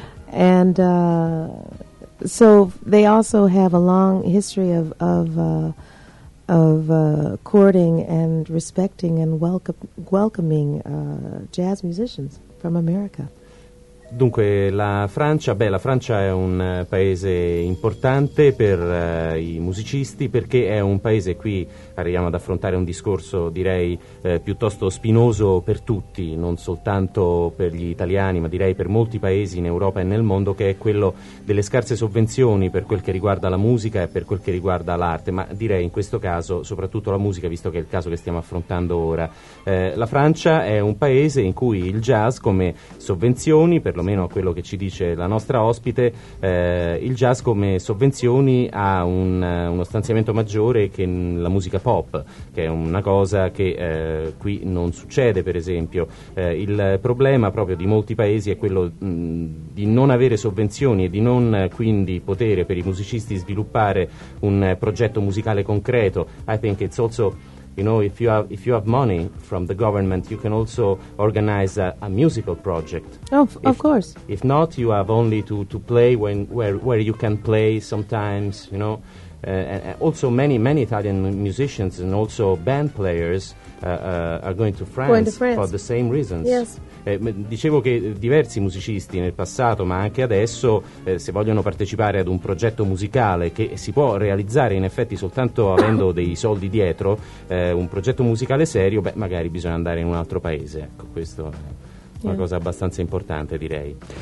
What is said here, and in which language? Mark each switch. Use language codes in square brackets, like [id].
[en] And so they also have a long history of courting and respecting and welcoming jazz musicians from America. [it] Dunque la Francia è un paese importante per i musicisti, perché è un paese, qui arriviamo ad affrontare un discorso direi piuttosto spinoso per tutti, non soltanto per gli italiani ma direi per molti paesi in Europa e nel mondo, che è quello delle scarse sovvenzioni per quel che riguarda la musica e per quel che riguarda l'arte, ma direi in questo caso soprattutto la musica, visto che è il caso che stiamo affrontando ora. La Francia è un paese in cui il jazz come sovvenzioni, per perlomeno a quello che ci dice la nostra ospite, il jazz come sovvenzioni ha uno stanziamento maggiore che la musica pop, che è una cosa che qui non succede, per esempio. Il problema proprio di molti paesi è quello di non avere sovvenzioni e di non quindi potere per i musicisti sviluppare un progetto musicale concreto. [en] I think it's also, you know, if you have money from the government, you can also organize a musical project. Of course. If not, you have only to play where you can play sometimes, you know. Also, many Italian musicians and also band players are going to France for the same reasons. Yes. [it] Dicevo che diversi musicisti nel passato, ma anche adesso, se vogliono partecipare ad un progetto musicale che si può realizzare in effetti soltanto avendo dei soldi dietro, un progetto musicale serio, beh, magari bisogna andare in un altro paese. Ecco, questo è una cosa abbastanza importante, direi.